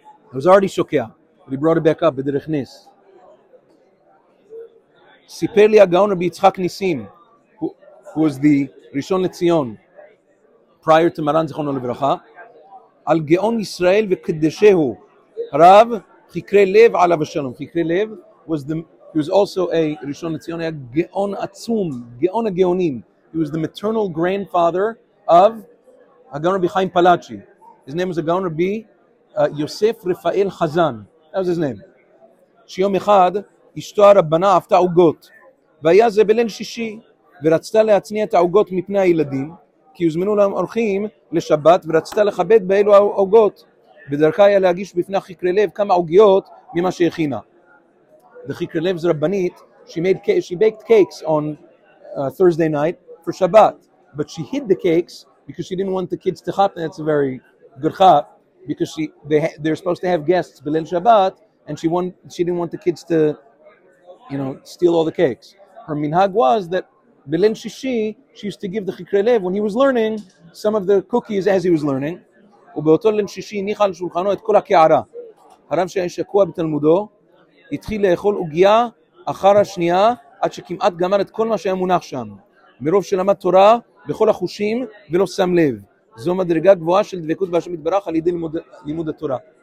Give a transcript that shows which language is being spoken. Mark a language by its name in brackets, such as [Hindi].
[English] It was already Shokia, but he brought it back up. [Hebrew] B'derech Nis. Siper li Agaon Rabbi Yitzchak Nisim, [English] who was the Rishon Letzion prior to [Hebrew] Maran Zichrono Livracha, על גאון ישראל וקדשהו, רב, חיקרי לב עליו השלום. חיקרי לב, [English] he was also a [Hebrew] ראשון לציון, היה גאון עצום, גאון הגאונים. [English] He was the maternal grandfather of הגאון רבי חיים פלאצ'י. His name was הגאון רבי יוסף רפאל חזן. That was his name. [Hebrew] שיום אחד, אשתו הרבנה עפתה עוגות, והיה זה בליל שישי, ורצתה להצניע את העוגות מפני הילדים, כי הוזמנו להם אורחים לשבת, ורצתה לכבד באלו העוגות. בדרכה היה להגיש בפני חקרי לב כמה עוגיות ממה שהכינה. וחקרי לב זה רבנית, [English] she baked cakes on Thursday night for Shabbat, but she hid the cakes because she didn't want the kids to chap, and that's a very good chap, because they're supposed to have guests [Hebrew] בליל שבת, [English] and she didn't want the kids to, you know, steal all the cakes. Her minhag was that [Hebrew] בליל שישי, [English] she used to give the חקרי לב, when he was learning, some of the cookies as he was learning. [Hebrew] ובאותו ליל שישי, ניחה על שולחנו את כל הקערה. הרב שהיה שקוע בתלמודו, התחיל לאכול עוגיה אחר השנייה, עד שכמעט גמר את כל מה שהיה מונח שם. מרוב שלמד תורה בכל החושים ולא שם לב. זו מדרגה גבוהה של דבקות והשם יתברך על ידי לימוד התורה.